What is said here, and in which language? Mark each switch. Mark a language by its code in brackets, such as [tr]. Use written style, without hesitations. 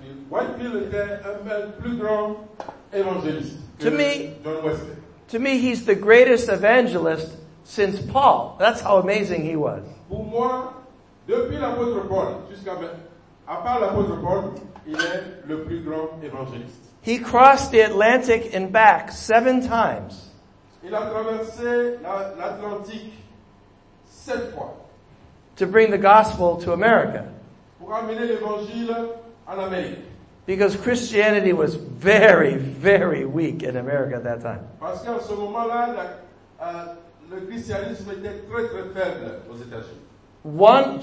[fr] Whitefield était un plus grand évangéliste que John Wesley. [en] To me, he's the greatest evangelist since Paul. That's how amazing he was. [fr] Pour moi, depuis l'apôtre Paul, jusqu'à à part l'apôtre Paul, il est le plus grand évangéliste. [en] He crossed the Atlantic and back 7 times. [fr] Il a traversé l'Atlantique 7 fois. [en] To bring the gospel to America. [fr] Pour amener l'évangile en Amérique. [en] Because Christianity was very, very weak in America at that time. [fr] Parce qu'à ce moment-là, le christianisme était très, très faible aux États-Unis.